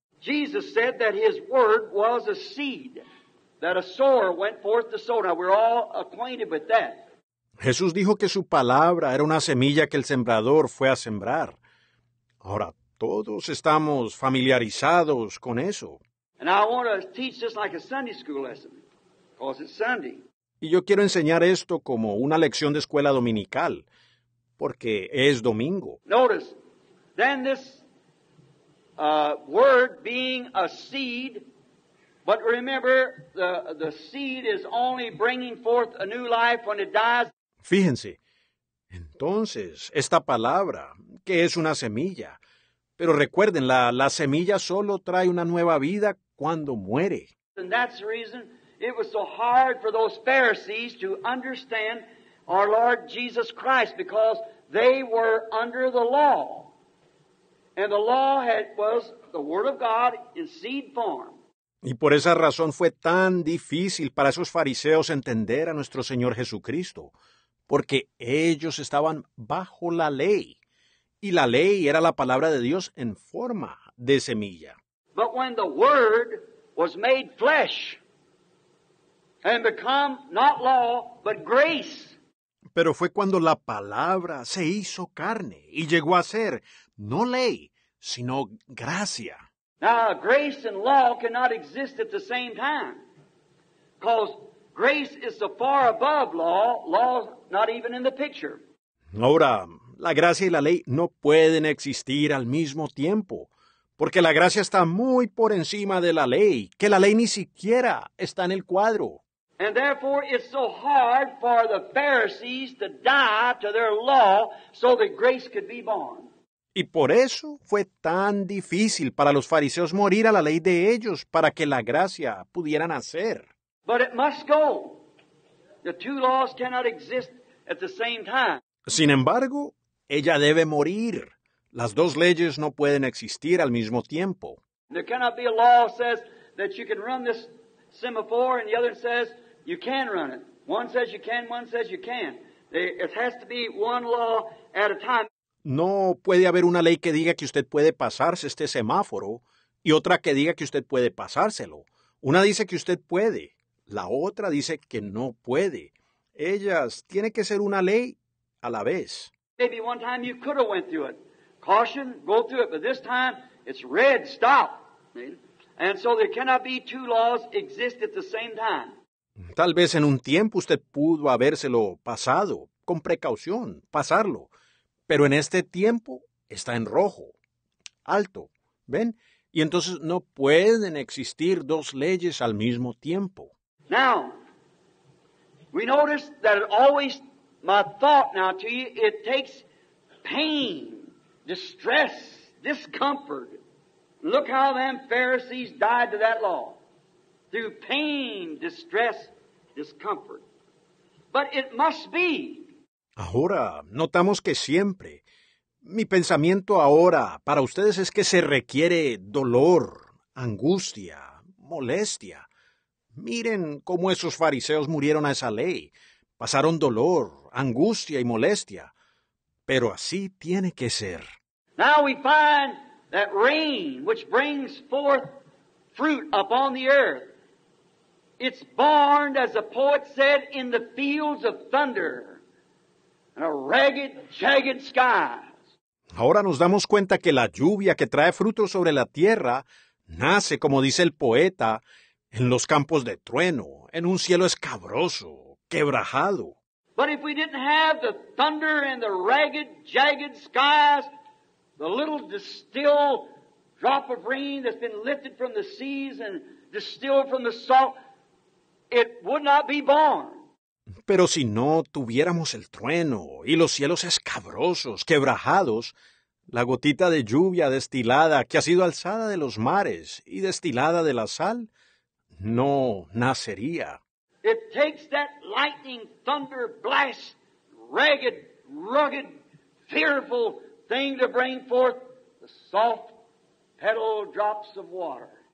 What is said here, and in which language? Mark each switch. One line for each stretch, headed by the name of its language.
English: Jesus said that his word was a seed, that a sower went forth to sow. Now, we're all acquainted with that.
Spanish: Jesús dijo que su palabra era una semilla que el sembrador fue a sembrar. Ahora, todos estamos familiarizados con eso.
English: And I want to teach this like a Sunday school lesson, because it's Sunday.
Spanish: Y yo quiero enseñar esto como una lección de escuela dominical, porque es domingo.
English: Notice, then this word being a seed, but remember, the seed is only bringing forth a new life when it dies.
Spanish: Fíjense, entonces, esta palabra, que es una semilla, pero recuerden, la semilla solo trae una nueva vida cuando muere.
English: And that's the reason it was so hard for those Pharisees to understand our Lord Jesus Christ, because they were under the law. And the law was the Word of God in seed form.
Spanish: Y por esa razón fue tan difícil para esos fariseos entender a nuestro Señor Jesucristo, porque ellos estaban bajo la ley. Y la ley era la palabra de Dios en forma de semilla.
English: But when the Word was made flesh, and become not law, but grace.
Spanish: Pero fue cuando la palabra se hizo carne y llegó a ser no ley, sino gracia.
English: Now, grace and law cannot exist at the same time. Because grace is so far above law, law not even in the picture.
Spanish: Ahora, la gracia y la ley no pueden existir al mismo tiempo. Porque la gracia está muy por encima de la ley, que la ley ni siquiera está en el cuadro.
English: And therefore, it's so hard for the Pharisees to die to their law so that grace could be born.
Spanish: Y por eso fue tan difícil para los fariseos morir a la ley de ellos para que la gracia pudiera nacer.
English: But it must go. The two laws cannot exist at the same time.
Spanish: Sin embargo, ella debe morir. Las dos leyes no pueden existir al mismo tiempo.
English: There cannot be a law that says that you can run this semaphore and the other says you can run it. One says you can, one says you can. It has to be one law at a time.
Spanish: No puede haber una ley que diga que usted puede pasarse este semáforo y otra que diga que usted puede pasárselo. Una dice que usted puede, la otra dice que no puede. Ellas tienen que ser una ley a la vez.
English: Maybe one time you could have went through it. Caution, go through it, but this time it's red, stop. And so there cannot be two laws exist at the same time.
Spanish: Tal vez en un tiempo usted pudo habérselo pasado, con precaución, pasarlo. Pero en este tiempo está en rojo, alto, ¿ven? Y entonces no pueden existir dos leyes al mismo tiempo.
English: Now, we notice that it always, my thought now to you, it takes pain, distress, discomfort. Look how them Pharisees died to that law. Through pain, distress, discomfort. But it must be.
Spanish: Ahora, notamos que siempre. Mi pensamiento ahora para ustedes es que se requiere dolor, angustia, molestia. Miren cómo esos fariseos murieron a esa ley. Pasaron dolor, angustia y molestia. Pero así tiene que ser.
English: Now we find that rain which brings forth fruit upon the earth It's born, as the poet said, in the fields of thunder and a ragged, jagged sky.
Spanish: Ahora nos damos cuenta que la lluvia que trae fruto sobre la tierra nace, como dice el poeta, en los campos de trueno, en un cielo escabroso, quebrajado.
English: But if we didn't have the thunder and the ragged, jagged skies, the little distilled drop of rain that's been lifted from the seas and distilled from the salt, it would not be born.
Spanish: Pero si no tuviéramos el trueno y los cielos escabrosos, quebrajados, la gotita de lluvia destilada que ha sido alzada de los mares y destilada de la sal, no nacería.
English: It takes that lightning, thunder, blast, ragged, rugged, fearful thing to bring forth the soft petal drops of water.